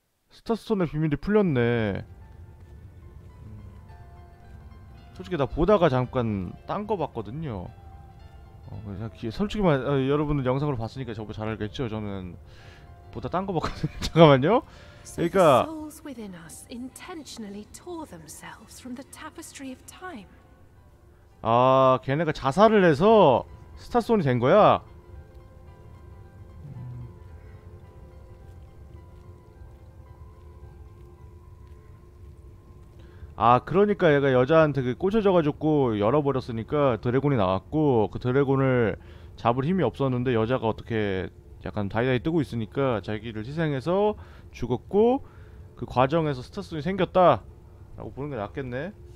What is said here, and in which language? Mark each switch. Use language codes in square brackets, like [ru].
[ko] 스타스톤의 비밀이 풀렸네. 솔직히 나 보다가 잠깐 딴 거 봤거든요. 어, 그냥 솔직히 말 어, 여러분은 영상으로 봤으니까 저보다 잘 알겠죠. 저는 보다 딴 거 봤거든요. 잠깐만요. 그러니까 [en] The souls within us intentionally tore themselves from the tapestry of time. [ko] 아, 걔네가 자살을 해서 스타스톤이 된 거야. 아, 그러니까 얘가 여자한테 그 꽂혀져가지고 열어버렸으니까 드래곤이 나왔고 그 드래곤을 잡을 힘이 없었는데 여자가 어떻게 약간 다이다이 뜨고 있으니까 자기를 희생해서 죽었고 그 과정에서 스타스톤이 생겼다 라고 보는 게 낫겠네.